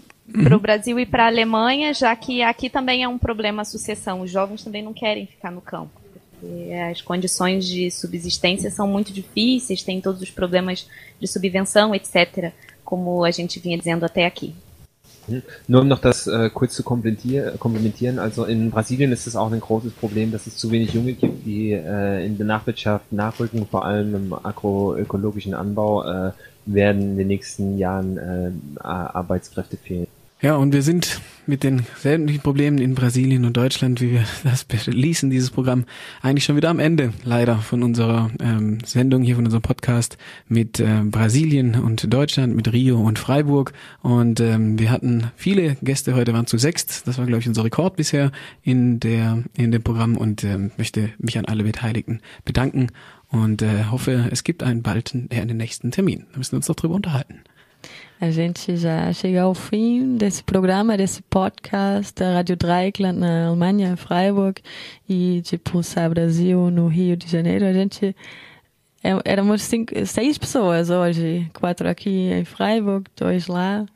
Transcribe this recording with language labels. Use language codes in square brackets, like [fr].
[pt] Para o Brasil e para a Alemanha, já que aqui também é um problema a sucessão. Os jovens também não querem ficar no campo, porque as condições de subsistência são muito difíceis, tem todos os problemas de subvenção, etc., como a gente vinha dizendo até aqui. [de] Nur um noch das kurz zu komplementieren, also in Brasilien ist es auch ein großes Problem, dass es zu wenig Junge gibt, die in der Nachwirtschaft nachrücken, vor allem im agroökologischen Anbau werden in den nächsten Jahren Arbeitskräfte fehlen. Ja, und wir sind mit den sämtlichen Problemen in Brasilien und Deutschland, wie wir das beschließen, dieses Programm, eigentlich schon wieder am Ende, leider, von unserer Sendung hier, von unserem Podcast mit Brasilien und Deutschland, mit Rio und Freiburg. Und wir hatten viele Gäste heute, waren zu sechst. Das war, glaube ich, unser Rekord bisher in dem Programm. Und möchte mich an alle Beteiligten bedanken und hoffe, es gibt einen nächsten Termin. Da müssen wir uns noch drüber unterhalten. [pt] A gente já chega ao fim desse programa, desse podcast da Rádio Dreikland na Alemanha, em Freiburg, e de Pulsar Brasil no Rio de Janeiro. A gente, éramos seis pessoas hoje, quatro aqui em Freiburg, dois lá.